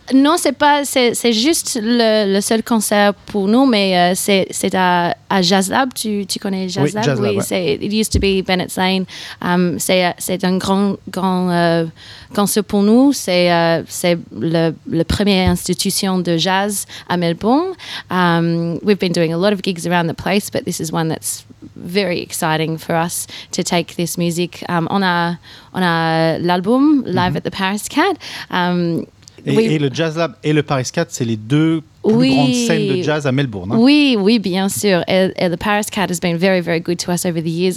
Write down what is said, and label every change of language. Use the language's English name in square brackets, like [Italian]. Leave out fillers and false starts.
[French] Non, c'est juste le seul concert pour nous, mais c'est à Jazz Lab. Tu connais Jazz Lab? Oui, Jazz Lab. Oui, [English] it used to be Bennett's Lane. [French] C'est un grand concert pour nous. C'est le premier institution de jazz à Melbourne. [English] We've been doing a lot of gigs around the place, but this is one that's very exciting for us to take this music. [French] On a l'album Live at the Paris Cat. Et le Jazz Lab et le Paris Cat, c'est les deux plus grandes scènes de jazz à Melbourne. Hein? Oui, oui, bien sûr. Et le [English] Paris Cat has been very, very good to us over the years.